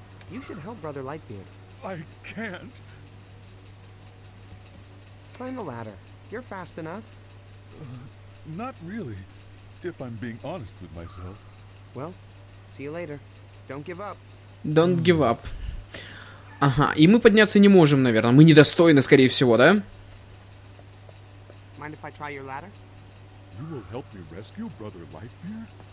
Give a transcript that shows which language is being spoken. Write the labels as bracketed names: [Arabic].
[English] You should help Brother Lightbeard. I can't. Climb the ladder. You're fast enough. Not really, if I'm being honest with myself. Well, see you later. Don't give up. Don't give up. [Russian] Ага, и мы подняться не можем, наверное. Мы недостойны, скорее всего, да? [English] Mind if I try your ladder? You will help me rescue Brother Lightbeard?